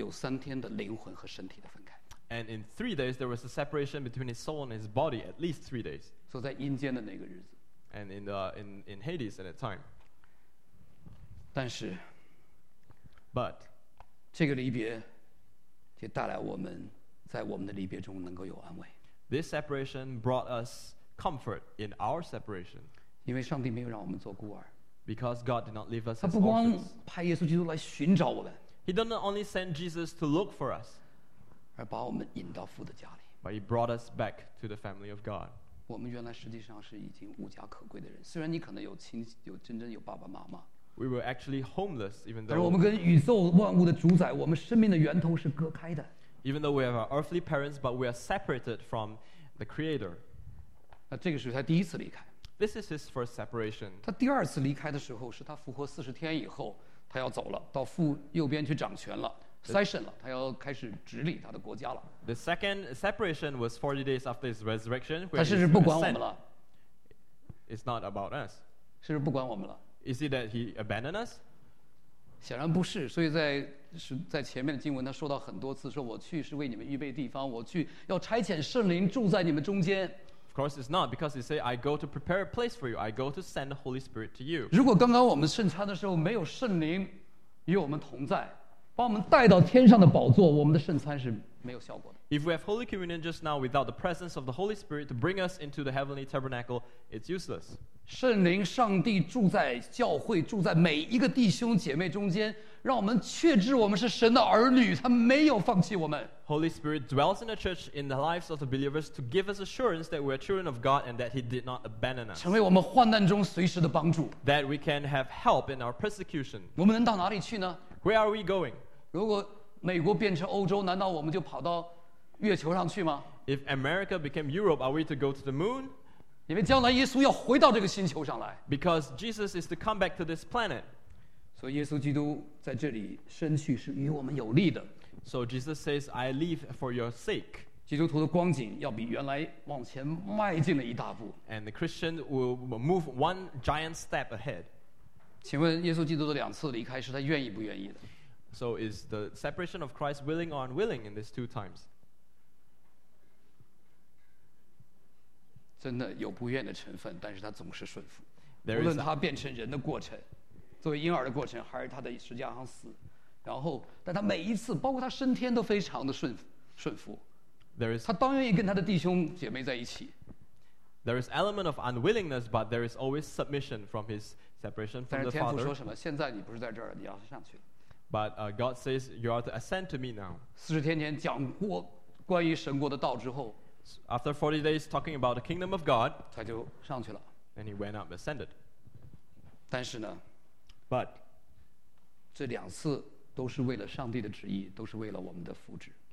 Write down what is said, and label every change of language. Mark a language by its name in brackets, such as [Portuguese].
[Chinese] 耶稣基督至少有3天的灵魂和身体的分开。 [English] And in 3 days, there was a separation between his soul and his body, at least 3 days. [Chinese] 所以在阴间的那个日子。 [English] And in Hades at that time. [Chinese] 但是 [English] But [Chinese] 这个离别就带来我们在我们的离别中能够有安慰。 [English] This separation brought us comfort in our separation. [Chinese] 因为上帝没有让我们做孤儿。 [English] Because God did not leave us as orphans. [Chinese] 他不光派耶稣基督来寻找我们。 [English] He did not only send Jesus to look for us. [Chinese] 而把我们引到父的家里。 [English] But he brought us back to the family of God. [Chinese] 我们原来实际上是已经无家可归的人，虽然你可能有亲，有真正有爸爸妈妈。 [English] We were actually homeless, even though. [Chinese] 我们跟宇宙万物的主宰，我们生命的源头是隔开的。 [English] Even though we have our earthly parents, but we are separated from the Creator. [Chinese] 那这个是他第一次离开。 [English] This is his first separation. [Chinese] 他第二次离开的时候，是他复活40天以后，他要走了，到父右边去掌权了。 session 了，他要开始治理他的国家了。 [English] The second separation was 40 days after his resurrection. [Chinese] 他是不是不管我们了 [English] ？It's not about us. [Chinese] 是不是不管我们了 [English] ？Is it that he abandoned us? [Chinese] 显然不是。所以在前面的经文，他说到很多次，说我去是为你们预备地方，我去要差遣圣灵住在你们中间。 [English] Of course, it's not because he say, "I go to prepare a place for you. I go to send the Holy Spirit to you." [Chinese] 如果刚刚我们圣餐的时候没有圣灵与我们同在，把我们带到天上的宝座，我们的圣餐是没有效果的。 [English] If we have Holy Communion just now without the presence of the Holy Spirit to bring us into the heavenly tabernacle, it's useless. [Chinese] 圣灵上帝住在教会，住在每一个弟兄姐妹中间，让我们确知我们是神的儿女，他没有放弃我们。 [English] Holy Spirit dwells in the church in the lives of the believers to give us assurance that we are children of God and that he did not abandon us. [Chinese] 成为我们患难中随时的帮助。 [English] That we can have help in our persecution. [Chinese] 我们能到哪里去呢？ [English] Where are we going? [Chinese] 如果美国变成欧洲，难道我们就跑到月球上去吗？ [English] If America became Europe, are we to go to the moon? [Chinese] 因为将来耶稣要回到这个星球上来。 [English] Because Jesus is to come back to this planet. [Chinese] 所以耶稣基督在这里身去是与我们有利的。 [English] So Jesus says, I leave for your sake. [Chinese] 基督徒的光景要比原来往前迈进了一大步。 [English] And the Christian will move one giant step ahead. [Chinese] 请问耶稣基督的两次离开是他愿意不愿意的 [English] ？So is the separation of Christ willing or unwilling in these two times？ [Chinese] 真的有不愿的成分，但是他总是顺服。无论他变成人的过程，作为婴儿的过程，还是他的十字架上死，然后，但他每一次，包括他升天，都非常的顺服。 [English] There is [Chinese] 他当愿意跟他的弟兄姐妹在一起。 [English] There is element of unwillingness, but there is always submission from his. Separation from the Father. [Chinese] 但是天父说什么？现在你不是在这儿，你要上去。 [English] But God says you are to ascend to me now. [Chinese] 四十天前讲过关于神国的道之后 [English] ，After 40 days talking about the kingdom of God, [Chinese] 他就上去了。 [English] And he went up, ascended. [Chinese] 但是呢 [English] ，But [Chinese] 这两次都是为了上帝的旨意，都是为了我们的福祉。